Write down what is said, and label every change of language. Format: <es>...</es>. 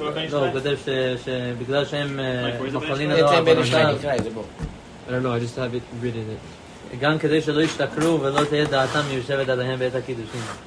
<he>לא, הוא כותב שבגלל שהם מחולים עליו, אתם בן ישראל נקרא את זה, בוא.</he> <en>I don't know, I just read it.</en> <he>גם כדי שלא ישתקרו ולא תהיה דעתם מיושבת עליהם בעת הקידושים.</he>